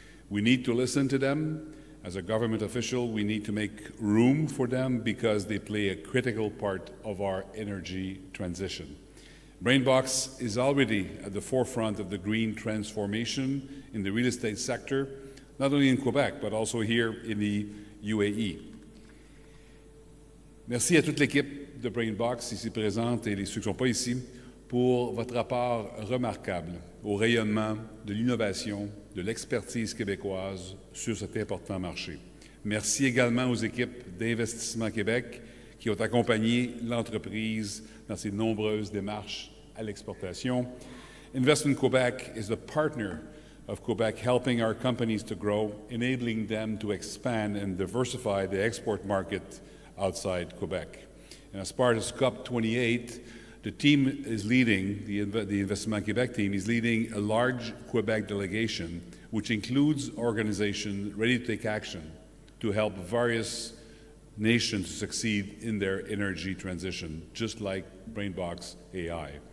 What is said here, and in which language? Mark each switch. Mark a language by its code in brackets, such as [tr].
[en] We need to listen to them. As a government official, we need to make room for them because they play a critical part of our energy transition. BrainBox is already at the forefront of the green transformation in the real estate sector, not only in Quebec, but also here in the UAE. [fr] Merci à toute l'équipe de BrainBox ici présente et les ceux qui sont pas ici pour votre apport remarquable au rayonnement de l'innovation de l'expertise québécoise sur cet important marché. Merci également aux équipes d'Investissement Québec qui ont accompagné l'entreprise dans ses nombreuses démarches à l'exportation. [en] Investment Quebec is the partner of Quebec, helping our companies to grow, enabling them to expand and diversify the export market outside Quebec. And as part of COP28, the Investissement Quebec team is leading a large Quebec delegation, which includes organizations ready to take action to help various nations succeed in their energy transition, just like BrainBox AI.